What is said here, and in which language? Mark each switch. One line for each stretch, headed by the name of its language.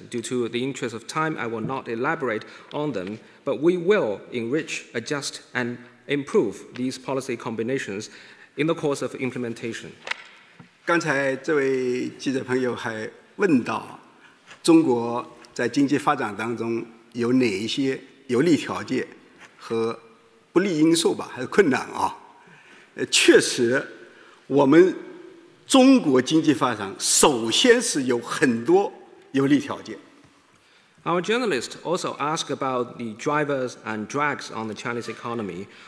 English: Due to the interest of time, I will not elaborate on them, but we will enrich, adjust, and improve these policy combinations in the course of implementation.
Chinese: 刚才这位记者朋友还问到中国在经济发展当中有哪一些有利条件和不利因素吧，还是困难啊？确实，我们 中国经济发展首先是有很多有利条件。
English: Our journalist also asked about the drivers and drags on the Chinese economy.